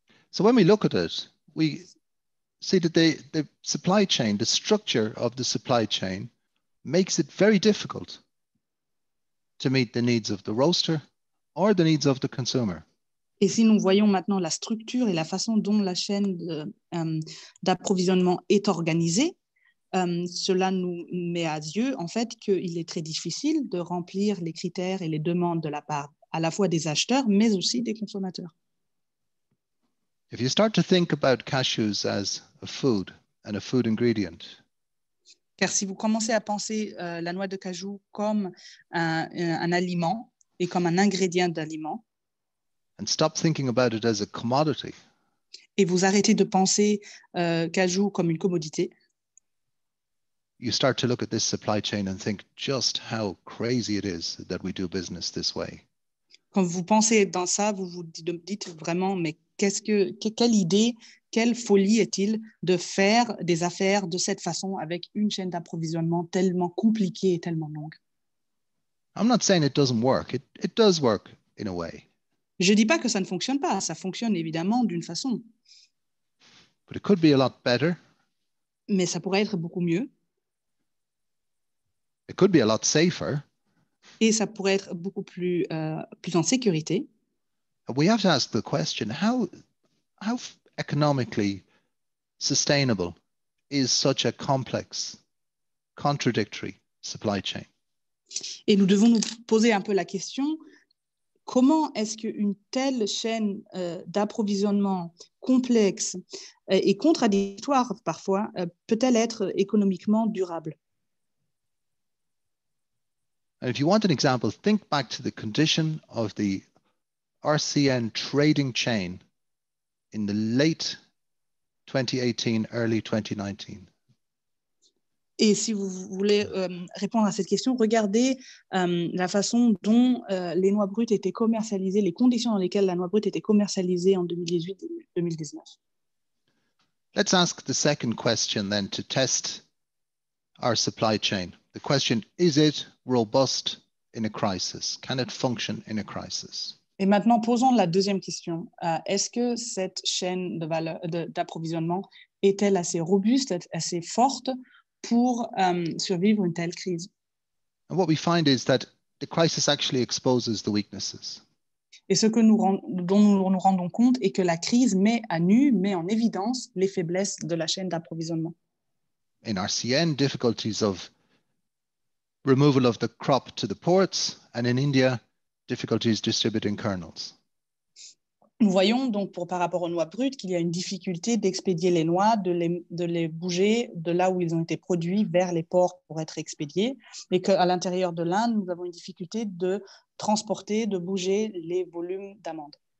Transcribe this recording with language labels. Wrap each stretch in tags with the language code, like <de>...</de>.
<en>So when we look at it, we see that the supply chain, the structure of the supply chain, makes it very difficult to meet the needs of the roaster or the needs of the consumer.</en> <fr>Et si nous voyons maintenant la structure et la façon dont la chaîne d'approvisionnement est organisée, cela nous met à yeux en fait qu'il est très difficile de remplir les critères et les demandes de la part à la fois des acheteurs mais aussi des consommateurs.</fr> <en>If you start to think about cashews as a food and a food ingredient.</en> <fr>Car si vous commencez à penser la noix de cajou comme un aliment et comme un ingrédient d'aliment.</fr> <en>And stop thinking about it as a commodity.</en> <fr>Et vous arrêtez de penser cajou comme une commodité.</fr> <en>You start to look at this supply chain and think just how crazy it is that we do business this way.</en> <fr>Quand vous pensez dans ça, vous vous dites vraiment, mais quelle idée, quelle folie est-il de faire des affaires de cette façon avec une chaîne d'approvisionnement tellement compliquée et tellement longue?</fr> <en>I'm not saying it doesn't work. It does work in a way.</en> <fr>Je ne dis pas que ça ne fonctionne pas. Ça fonctionne évidemment d'une façon.</fr> <en>But it could be a lot better.</en> <fr>Mais ça pourrait être beaucoup mieux.</fr> <en>It could be a lot safer.</en> <fr>Et ça pourrait être beaucoup plus en sécurité.</fr> <en>We have to ask the question, how economically sustainable is such a complex, contradictory supply chain?</en> <fr>Et nous devons nous poser un peu la question, comment est-ce qu'une telle chaîne d'approvisionnement complexe et contradictoire parfois peut-elle être économiquement durable?</fr> <en>And if you want an example, think back to the condition of the RCN trading chain in the late 2018, early 2019.</en> <fr>Et si vous voulez répondre à cette question, regardez la façon dont les noix brutes étaient commercialisées, les conditions dans lesquelles la noix brute était commercialisée en 2018-2019.</fr> <en>Let's ask the second question then to test our supply chain. The question, is it robust in a crisis? Can it function in a crisis?</en> <fr>Et maintenant, posons la deuxième question. Est-ce que cette chaîne de valeur, d'approvisionnement est-elle assez robuste, assez forte pour survivre une telle crise?</fr> <en>And what we find is that the crisis actually exposes the weaknesses.</en> <fr>Et ce que nous dont nous rendons compte est que la crise met à nu, met en évidence les faiblesses de la chaîne d'approvisionnement.</fr> <en>In RCN, difficulties of removal of the crop to the ports, and in India, difficulties distributing kernels.</en> <fr>Nous voyons donc pour par rapport aux noix brutes qu'il y a une difficulté d'expédier les noix, de les bouger de là où ils ont été produits vers les ports pour être expédiés, et qu'à l'intérieur de l'Inde, nous avons une difficulté de transporter, de bouger les volumes d'amandes.</fr>